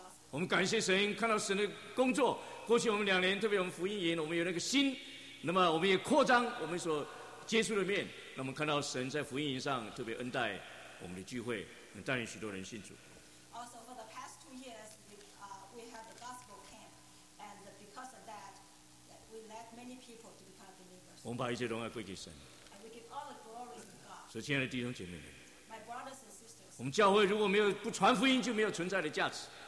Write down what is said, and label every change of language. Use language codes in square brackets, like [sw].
[zh] 我们感谢神，看到神的工作。过去我们两年，特别我们福音营，我们有那个心，那么我们也扩张我们所接触的面。那么看到神在福音营上特别恩待我们的聚会，能带领许多人信主。 [en] Also, for the past 2 years, we have the gospel camp, and because of that, we led many people to become believers. [zh] 我们把一切荣耀归给神。 [en] And we give all the glory to God. [zh] 所以，亲爱的弟兄姐妹们。 [en] My brothers and sisters. [zh] 我们教会如果没有不传福音，就没有存在的价值。